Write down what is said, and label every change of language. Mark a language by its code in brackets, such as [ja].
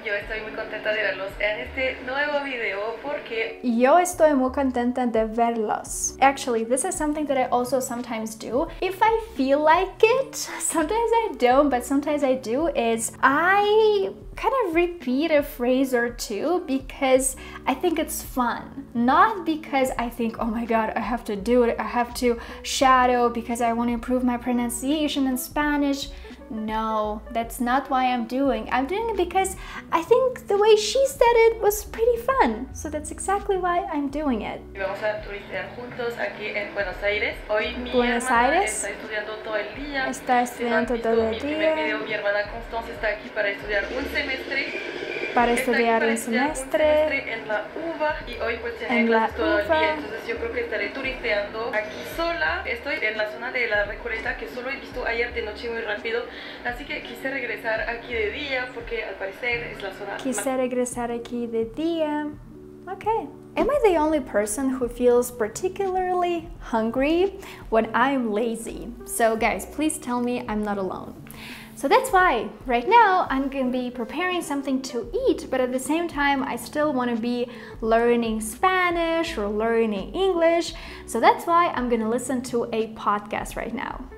[es] Yo estoy muy contenta de verlos en este nuevo video porque... Yo estoy muy contenta de verlos. [en] Actually, this is something that I also sometimes do. If I feel like it, sometimes I don't, but sometimes I do, is I kind of repeat a phrase or two because I think it's fun. Not because I think, oh my god, I have to do it, I have to shadow because I want to improve my pronunciation in Spanish. No, that's not why I'm doing. I'm doing it because I think the way she said it was pretty fun. So that's exactly why I'm doing it. [es] Vamos a turistear juntos aquí en Buenos Aires. Hoy mi Buenos hermana Aires. Está estudiando todo el día. Está estudiando todo el día. Mi primer video, mi hermana Constance está aquí para estudiar un semestre. Para estudiar un semestre. En la UVA. Y hoy pues tiene clases todo el día. Entonces yo creo que estaré turisteando aquí sola. Estoy en la zona de la Recoleta que solo he visto ayer de noche muy rápido. Así que quise regresar aquí de día porque al parecer es la zona. Quise regresar aquí de día. Okay. [en] Am I the only person who feels particularly hungry when I'm lazy? So guys, please tell me I'm not alone. So that's why right now I'm gonna be preparing something to eat, but at the same time I still want to be learning Spanish or learning English, so that's why I'm gonna listen to a podcast right now.